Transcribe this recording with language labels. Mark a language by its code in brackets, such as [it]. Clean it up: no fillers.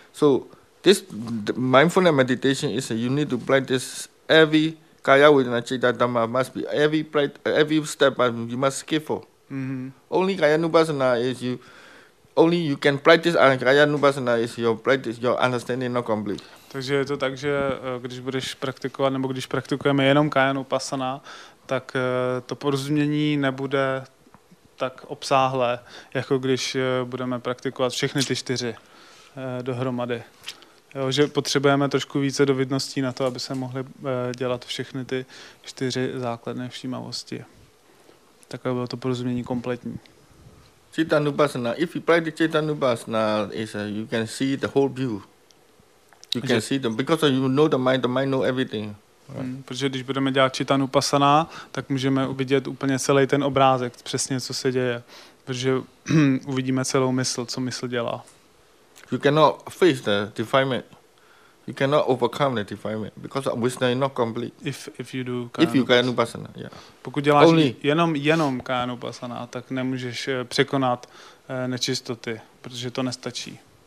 [en] So this mindfulness meditation is you need to practice every kaya with citta dhamma. Must be every step you must skillful. Mm-hmm. Only kayanupasana is you can practice and kayanupasana is your practice, your understanding not complete. [cs] Takže je to tak, že když budeš praktikovat nebo když praktikujeme jenom kayanupasana, tak to porozumění nebude tak obsáhlé, jako když budeme praktikovat všechny ty čtyři dohromady. Jo, že potřebujeme trošku více dovedností na to, aby se mohly dělat všechny ty čtyři základné všímavosti. Takové bylo to porozumění kompletní. [pi] Chitanupasana. [en] If you practice chitanupasana, is you can see the whole view. You can see them because you know the mind know everything. Right? [cs] Protože když budeme dělat chitanupasana, tak můžeme uvidět úplně celý ten obrázek, přesně co se děje, protože uvidíme celou mysl, co mysl dělá. [en] You cannot face the defilement. You cannot overcome the defilement because Vipassana is not complete. If you do kánu. If you can upasana, yeah. [cs] Pokud děláš [en] only. [cs] jenom kánu upasana, tak nemůžeš překonat nečistoty, protože to nestačí.